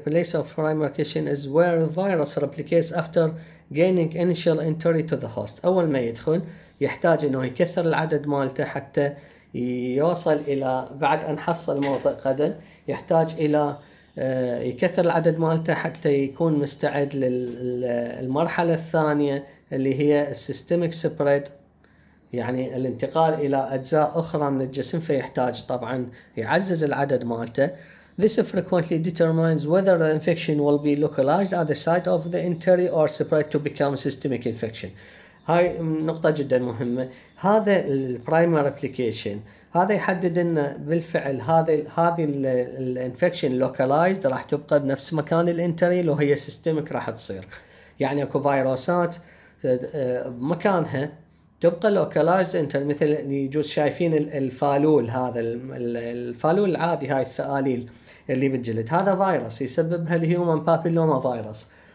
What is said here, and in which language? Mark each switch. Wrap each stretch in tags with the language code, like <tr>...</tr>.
<en>Place of primary replication is where the virus replicates after gaining initial entry to the host.</en> <ar>أول ما يدخل يحتاج أنه يكثر العدد مالته حتى يوصل إلى، بعد أن حصل موطئ قدم يحتاج إلى يكثر العدد مالته حتى يكون مستعد للمرحلة الثانية اللي هي السيستميك سبريد، يعني الانتقال إلى أجزاء أخرى من الجسم، فيحتاج طبعا يعزز العدد مالته.</ar> <en>This frequently determines whether the infection will be localized at the site of the entry or spread to become systemic infection.</en> <ar>هاي نقطة جدا مهمة، هذا البرايمر ريبليكيشن هذا يحدد ان بالفعل هذه الانفكشن لوكالايزد راح تبقى بنفس مكان الانتري لو هي سيستميك راح تصير. يعني اكو فيروسات مكانها تبقى لوكالايزد انتر، مثل يجوز شايفين الفالول، هذا الفالول العادي، هاي الثقاليل اللي بالجلد، هذا فيروس يسببها الهيومن بابيلوما فيروس.</ar>